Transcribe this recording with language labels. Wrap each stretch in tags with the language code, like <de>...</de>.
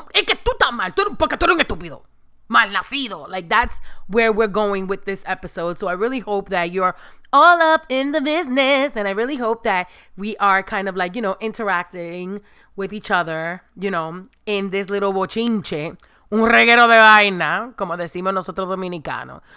<es>Es que tú estás mal, porque tú eres un estúpido, mal nacido.</es> <en>Like, that's where we're going with this episode. So I really hope that you're all up in the business. And I really hope that we are kind of like, you know, interacting with each other, you know, in this little bochinche.</en> <es>Un reguero de vaina, como decimos nosotros dominicanos.</es>